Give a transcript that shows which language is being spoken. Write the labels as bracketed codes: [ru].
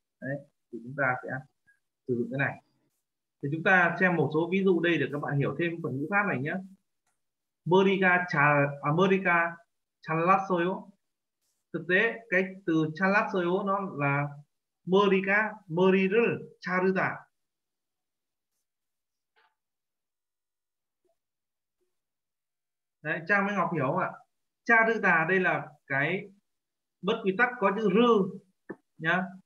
[vi] Đấy, thì chúng ta sẽ sử dụng cái này. Thì chúng ta xem một số ví dụ đây để các bạn hiểu thêm phần ngữ pháp này nhé. [ko] 머리가 잘 머리가 잘랐어요. [vi] Thực tế cái từ 잘랐어요 nó là [ko] 머리가 머리를 자르다. [vi] 네, Trang với Ngọc hiểu không ạ? 자르다 đây là cái bất quy tắc có chữ rư nhá.